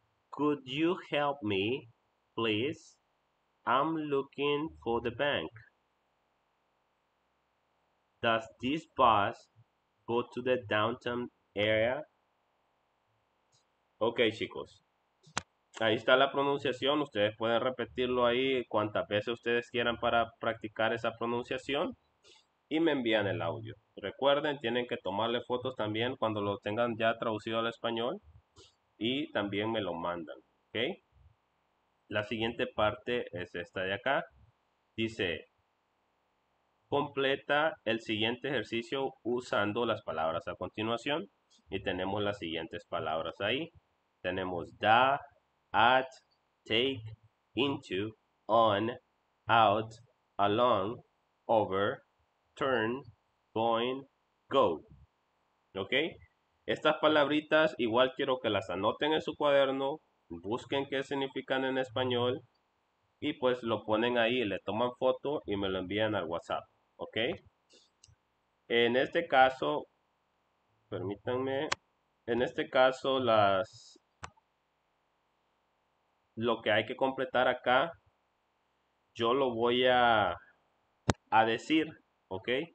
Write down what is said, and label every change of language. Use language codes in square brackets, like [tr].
[en] Could you help me, please? I'm looking for the bank. Does this bus go to the downtown area? [es] Ok, chicos. Ahí está la pronunciación. Ustedes pueden repetirlo ahí cuantas veces ustedes quieran para practicar esa pronunciación. Y me envían el audio. Recuerden, tienen que tomarle fotos también cuando lo tengan ya traducido al español. Y también me lo mandan. Ok. La siguiente parte es esta de acá. Dice, completa el siguiente ejercicio usando las palabras a continuación. Y tenemos las siguientes palabras ahí. [en] Tenemos da, at, take, into, on, out, along, over, turn, going, go. [es] ¿Ok? Estas palabritas igual quiero que las anoten en su cuaderno. Busquen qué significan en español. Y pues lo ponen ahí, le toman foto y me lo envían al WhatsApp. ¿Ok? En este caso, permítanme, en este caso lo que hay que completar acá, yo lo voy a decir, ¿ok?